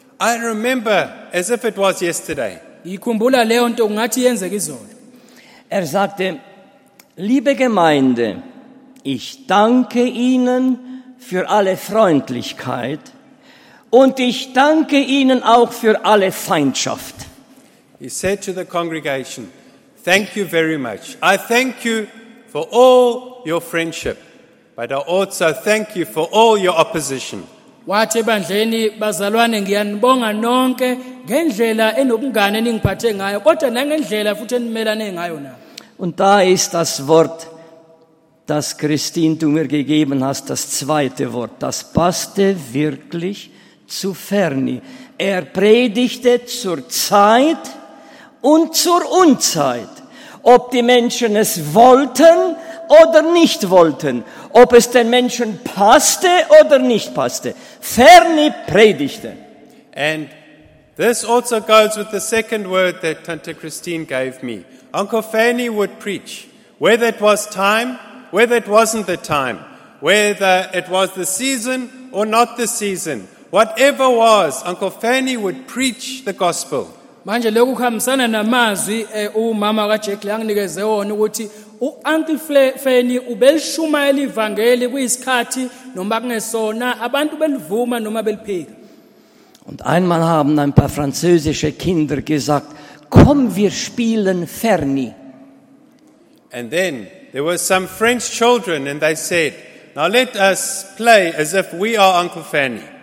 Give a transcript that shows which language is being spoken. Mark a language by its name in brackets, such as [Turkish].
[English] I remember as if it was yesterday. [German] Er sagte, liebe Gemeinde, ich danke Ihnen für alle Freundlichkeit und ich danke Ihnen auch für alle Feindschaft. [English] He said to the congregation, thank you very much. I thank you for all your friendship, but I also thank you for all your opposition. [Zulu] Wathi ebandleni bazalwane ngiyanibonga nonke ngendlela enobungane eningiphathe ngayo kodwa nangendlela futhi enimelane ngayo na. [German] Und da ist das Wort, das Christine du mir gegeben hast, das zweite Wort, das passte wirklich zu Ferni. Er predigte zur Zeit und zur Unzeit, ob die Menschen es wollten oder nicht wollten, ob es den Menschen passte oder nicht passte. Ferni predigte. [English] And this also goes with the second word that Tante Christine gave me. Uncle Fanny would preach, whether it was time, whether it wasn't the time, whether it was the season or not the season, whatever was, Uncle Fanny would preach the gospel. [Zulu] Manje lokhu kuhambisana namazwi umama kaJackie anginikeze wona ukuthi u-Uncle Fanny ubelishumayela ivangeli kuyisikhathi noma kungesona abantu belivuma noma beliphika. [German] Und einmal haben ein paar französische Kinder gesagt, komm, wir spielen Ferni. [English] And then there were some French children and they said, now let us play as if we are Uncle Fanny.